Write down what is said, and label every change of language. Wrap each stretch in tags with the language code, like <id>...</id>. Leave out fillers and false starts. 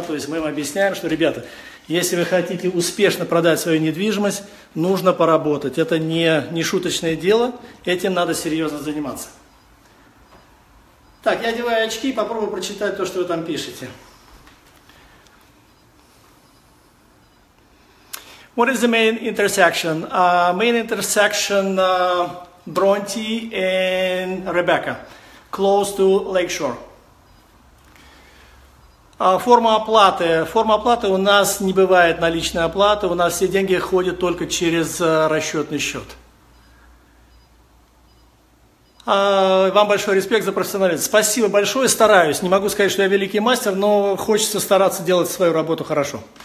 <ru>То есть мы им объясняем, что, ребята, если вы хотите успешно продать свою недвижимость, нужно поработать. Это не шуточное дело, этим надо серьезно заниматься. Так, я одеваю очки и попробую прочитать то, что вы там пишете.</ru> <en>What is the main intersection? Main intersection Bronte and Rebecca, close to Lakeshore.</en> <ru>Форма оплаты. Форма оплаты у нас не бывает наличной оплаты. У нас все деньги ходят только через расчетный счет. Вам большой респект за профессионализм. Спасибо большое. Стараюсь. Не могу сказать, что я великий мастер, но хочется стараться делать свою работу хорошо.</ru>